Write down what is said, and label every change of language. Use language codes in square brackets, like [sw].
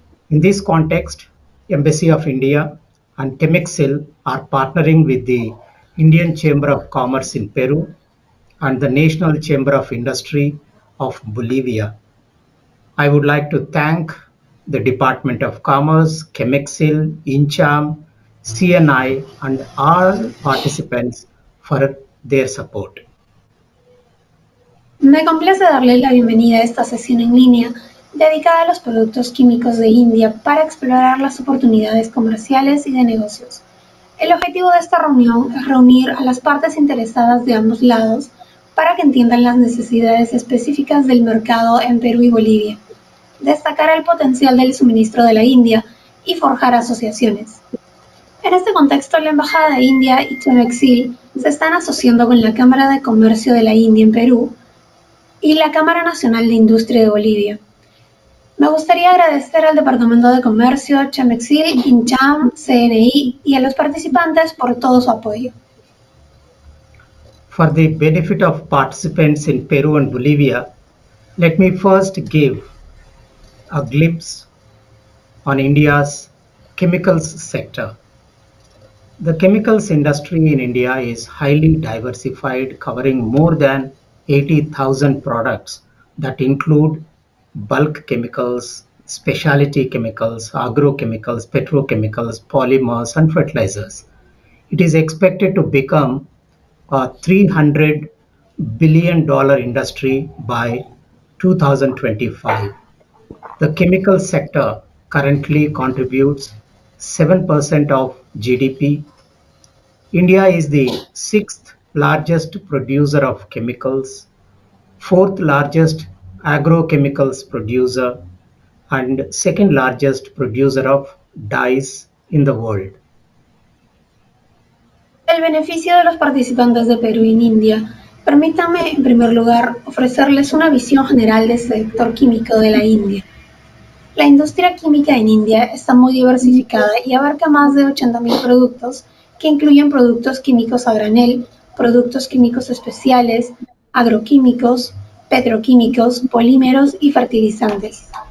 [en] In this context, Embassy of India and Quemexil are partnering with the Indian Chamber of Commerce in Peru and the National Chamber of Industry of Bolivia. I would like to thank the Department of Commerce, Quemexil, INCHAM, CNI, and all participants for their support. [es] Me complace darle la bienvenida a esta sesión en línea dedicada a los productos químicos de India para explorar las oportunidades comerciales y de negocios. El objetivo de esta reunión es reunir a las partes interesadas de ambos lados para que entiendan las necesidades específicas del mercado en Perú y Bolivia, destacar el potencial del suministro de la India y forjar asociaciones. En este contexto, la Embajada de India y Quemexil se están asociando con la Cámara de Comercio de la India en Perú y la Cámara Nacional de Industria de Bolivia. Me gustaría agradecer al Departamento de Comercio, Chemexil, INCHAM, CNI y a los participantes por todo su apoyo. [en] For the benefit of participants in Peru and Bolivia, let me first give a glimpse on India's chemicals sector. The chemicals industry in India is highly diversified, covering more than 80,000 products that include bulk chemicals, specialty chemicals, agrochemicals, petrochemicals, polymers, and fertilizers. It is expected to become a $300 billion industry by 2025. The chemical sector currently contributes 7% of GDP. India is the sixth largest producer of chemicals, fourth largest agrochemicals producer, and second largest producer of dyes in the world. [es] El beneficio de los participantes de Perú en India. Permítame, en primer lugar, ofrecerles una visión general del sector químico de la India. La industria química en India está muy diversificada y abarca más de 80.000 productos, que incluyen productos químicos a granel, productos químicos especiales, agroquímicos, petroquímicos, polímeros y fertilizantes.